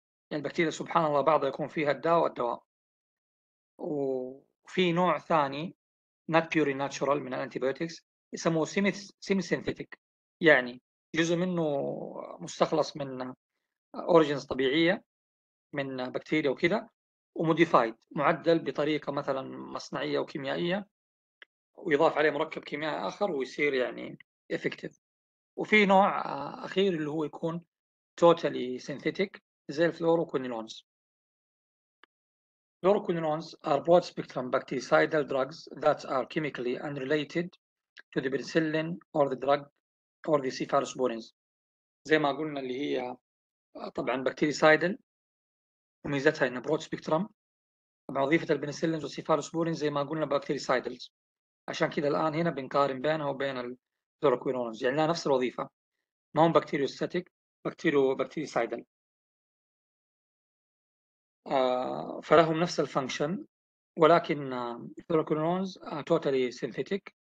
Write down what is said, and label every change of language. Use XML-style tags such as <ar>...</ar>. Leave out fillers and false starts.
<ar>يعني البكتيريا سبحان الله بعضها يكون فيها الداء والدواء. وفي نوع ثاني</ar> <en>not purely natural</en> <ar>من الانتيبيوتكس يسموه semi synthetic يعني جزء منه مستخلص من origins طبيعية من بكتيريا وكذا وموديفايد معدل بطريقة مثلا مصنعية وكيميائية ويضاف عليه مركب كيميائي آخر ويصير يعني effective. وفي نوع أخير اللي هو يكون</ar> <en>totally synthetic</en> <ar>زي الفلوروكوينونز.</ar> <en>Fluoroquinolones are broad-spectrum bactericidal drugs that are chemically unrelated to the penicillin or the drug or the cephalosporins.</en> <ar>زي ما قلنا اللي هي طبعاً bactericidal وميزتها إنها broad-spectrum بوظيفة البنسلين والسيفالوسبورين زي ما قلنا bactericidal عشان كده الآن هنا بنقارن بينها وبين الفلوروكوينونز يعني لها نفس الوظيفة ما هم bacteriostatic bactericidal فلهم نفس الفانكشن ولكن الفلوروكوينونز</ar> <en>totally synthetic.</en>